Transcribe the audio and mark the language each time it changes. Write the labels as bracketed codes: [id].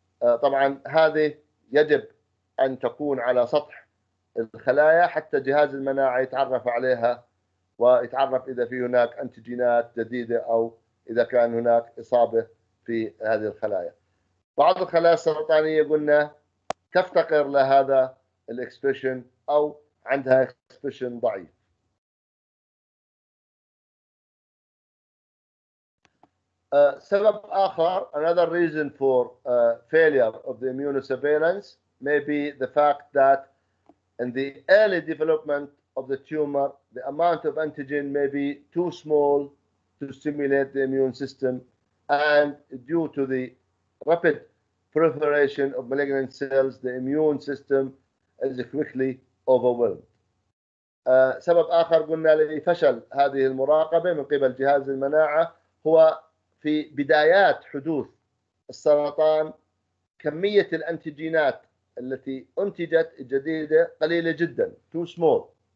[ar] طبعا هذه يجب ان تكون على سطح الخلايا حتى جهاز المناعه يتعرف عليها ويتعرف اذا في هناك انتيجينات جديده او اذا كان هناك اصابه في هذه الخلايا. بعض الخلايا السرطانيه قلنا تفتقر لهذا الاكسبريشن او عندها اكسبريشن ضعيف. سبب اخر، [en] another reason for failure of the immunosurveillance may be the fact that in the early development of the tumor the amount of antigen may be too small to stimulate the immune system, and due to the rapid proliferation of malignant cells the immune system is quickly overwhelmed. [ar] سبب اخر قلنا لفشل هذه المراقبه من قبل جهاز المناعه هو في بدايات حدوث السرطان كمية الأنتيجينات التي أنتجت الجديدة قليلة جدا، [en] too small.